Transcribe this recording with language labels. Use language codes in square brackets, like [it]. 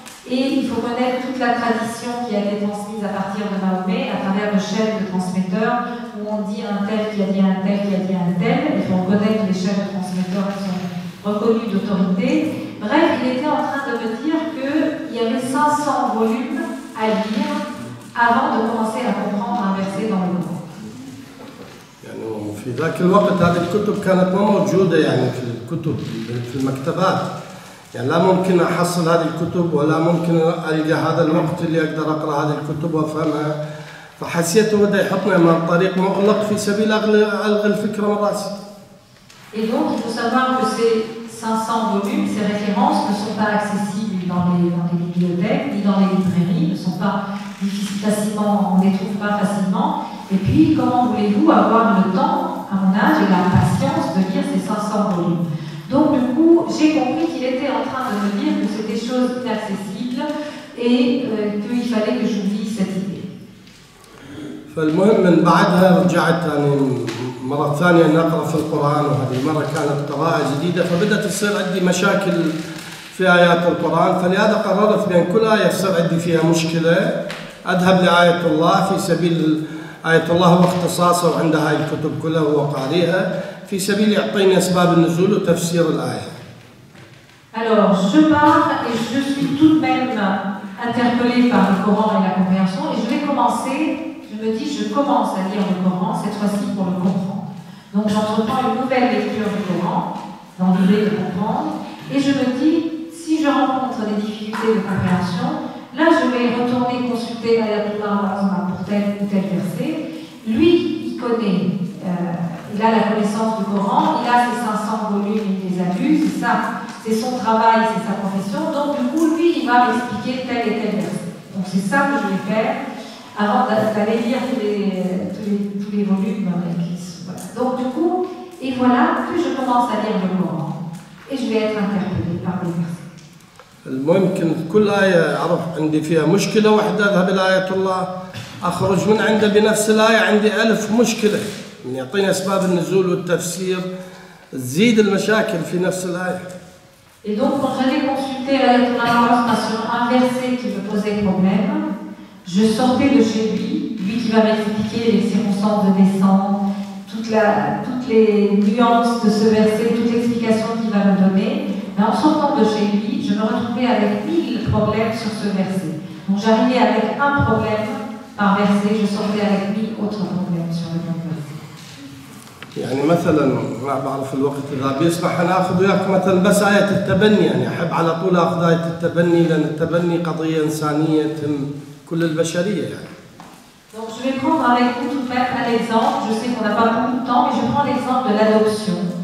[fr] Et il faut connaître toute la tradition qui a été transmise à partir de Mahomet, à travers le chef de transmetteur, où on dit un tel qui a dit un tel qui a dit un tel. Il faut connaître les chefs de transmetteurs qui sont reconnus d'autorité. Bref, il était en train de me dire que il y avait 500 volumes à lire avant de commencer à comprendre un verset dans le Coran. [ar] يعني في ذاك الوقت هذه الكتب كانت ما موجودة، يعني في الكتب في المكتبات، يعني لا ممكن أحصل هذه الكتب ولا ممكن ألقى هذا الوقت اللي أقدر أقرأ هذه الكتب وأفهمها. فحسيت هو بدأ يحطني أمام طريق مغلق في سبيل ألغي الفكرة من رأسي. [fr] Et donc il faut savoir que ces 500 volumes, ces références ne sont pas accessibles dans les bibliothèques ni dans les librairies, ne sont pas facilement, on ne les trouve pas facilement. Et puis, comment voulez-vous avoir le temps, à mon âge, et la patience de lire ces 500 volumes? Donc, du coup, j'ai compris qu'il était en train de me dire que c'était chose inaccessible et qu'il fallait que j'oublie cette idée. [ar] فالمهم من بعدها رجعت يعني مرة ثانية نقرأ في القرآن، وهذه المرة كانت قراءة جديدة، فبدأت تصير عندي مشاكل في آيات القرآن، فلهذا قررت بأن كل آية تصير عندي فيها مشكلة أذهب لآية الله في سبيل آية الله واختصاصه، وعندها الكتب كلها هو قاريها في سبيل يعطيني أسباب النزول وتفسير الآية. [fr] Alors, je pars et je suis tout de même interpellée par le Coran et la compréhension, et je vais commencer, je me dis, je commence à lire le Coran, cette fois-ci pour le comprendre. Donc j'entreprends une nouvelle lecture du Coran, dans l'idée de comprendre, et je me dis, si je rencontre des difficultés de compréhension, là je vais retourner consulter Ayatollah pour tel ou tel verset. Lui, il connaît, il a la connaissance du Coran, il a ses 500 volumes, il les a vus, c'est ça. C'est son travail, c'est sa profession. Donc, du coup, lui, il va m'expliquer tel et tel verset. Donc, c'est ça que je vais faire avant d'aller lire tous les volumes de l'Église. Voilà. Donc, du coup, et voilà, plus je commence à lire le Coran, et je vais être interpellée par les versets. [ar] المهم كنت كل آية أعرف عندي فيها مشكلة واحدة أذهب إلى آية الله، أخرج من عنده بنفس الآية عندي ألف مشكلة، يعني يعطيني أسباب النزول والتفسير تزيد المشاكل في نفس الآية. [fr] Et donc quand j'allais consulter l'Aïe Tourna sur un verset qui me posait problème, je sortais de chez lui, lui qui va m'expliquer les circonstances de descente, toutes les nuances de ce verset, toutes les explications qu'il va me donner, mais en sortant de chez lui, je me retrouvais avec 1000 problèmes sur ce verset. Donc j'arrivais avec un problème par verset, je sortais avec 1000 autres problèmes sur le même verset. [ar] يعني مثلا ما بعرف الوقت اذا بيسمح انا اخذ وياك مثلا بس آية التبني، يعني احب على طول اخذ آية التبني، لان التبني قضية انسانية تهم كل البشرية يعني. [fr] Donc je vais prendre avec vous tout faire un exemple, je sais qu'on n'a pas beaucoup de temps, mais je prends l'exemple de l'adoption.